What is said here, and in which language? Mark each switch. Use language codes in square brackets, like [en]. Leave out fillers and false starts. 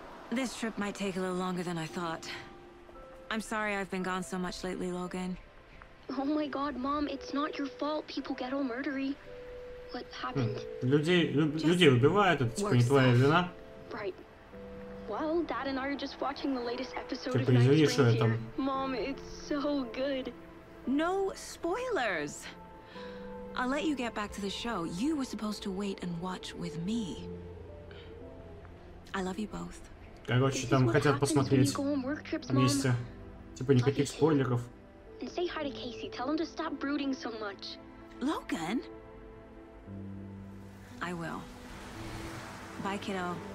[en] This trip might take a little longer than I thought. I'm sorry I've been gone so much lately, Logan. Oh my God, mom, it's not your fault. People get all murdery. What happened? [ru] Людей убивают, это типа не твоя вина. [en] Right. Well, Dad and I are just watching the latest episode of Night Train here. Mom, it's so good. No spoilers. I'll let you get back to the show. You were supposed to wait and watch with me. I love you both. [ru] Короче, там хотят посмотреть вместе. Типа никаких спойлеров. [en] And say hi to Casey. Tell him to stop brooding so much. Logan. I will. Bye, kiddo.